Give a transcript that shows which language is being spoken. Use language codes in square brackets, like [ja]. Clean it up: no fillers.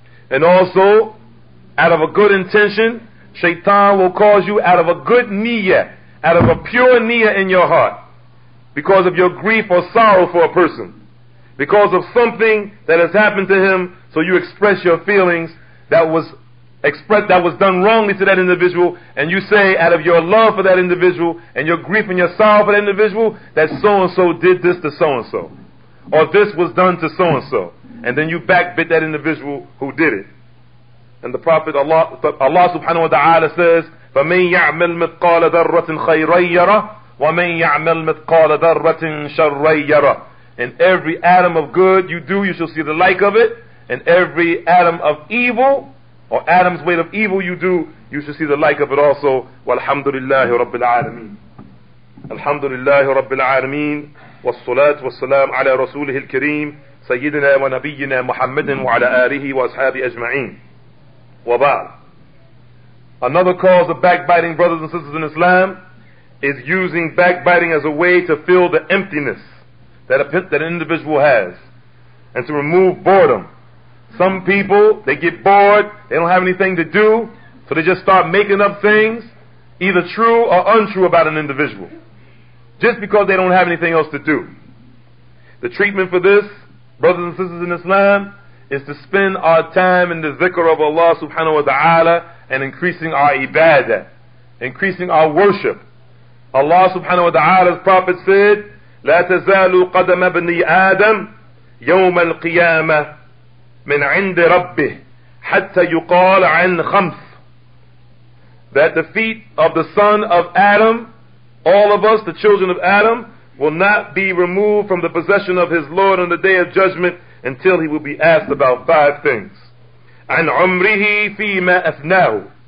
[en] And also, out of a good intention, shaitan will cause you, out of a good niyyah, out of a pure niyyah in your heart, because of your grief or sorrow for a person, because of something that has happened to him, so you express your feelings that was done wrongly to that individual, and you say out of your love for that individual and your grief and your sorrow for that individual that so and so did this to so and so, or this was done to so and so, and then you backbit that individual who did it. And the Prophet Allah subhanahu wa ta'ala says, [ar] فَمَنْ يَعْمَلْ مِثْقَالَ ذَرَّةٍ خَيْرًا يَرَهُ وَمَنْ يَعْمَلْ مِثْقَالَ ذَرَّةٍ شَرًّا يَرَهُ. [en] And every atom of good you do, you shall see the like of it. And every atom of evil, or atom's weight of evil you do, you shall see the like of it also. [ar] وَالْحَمْدُ رَبِّ الْعَالَمِينَ. الْحَمْدُ رَبِّ الْعَالَمِينَ. وَالصُّلَاةُ وَالسَّلَامُ عَلَى رَسُولِهِ الْكَرِيمِ. سيدنا ونبينا محمد وعلى آله وأصحابه أجمعين وبعد. [en] Another cause of backbiting, brothers and sisters in Islam, is using backbiting as a way to fill the emptiness that an individual has and to remove boredom. Some people, they get bored, they don't have anything to do, so they just start making up things, either true or untrue about an individual, just because they don't have anything else to do. The treatment for this, brothers and sisters in Islam, is to spend our time in the dhikr of Allah subhanahu wa ta'ala and increasing our ibadah, increasing our worship. Allah subhanahu wa ta'ala's prophet said, [ar] لا تزالوا قدم ابن آدم يوم القيامة من عند ربه حتى يقال عن خمس. [en] That the feet of the son of Adam, all of us, the children of Adam, will not be removed from the possession of his Lord on the day of judgment until he will be asked about five things. [ar] عن عمره فيما أثناه.